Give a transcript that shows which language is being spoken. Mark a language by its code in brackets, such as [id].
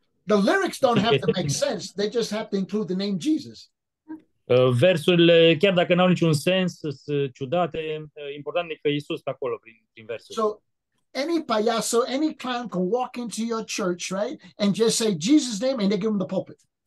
[en] The lyrics don't have to make sense, they just have to include the name Jesus. [ro] Versurile, chiar dacă n-au niciun sens, sunt ciudate, important e că Isus pe acolo prin versuri. [en] So, any payaso, any clown can walk into your church, right, and just say Jesus' name and they give him the pulpit.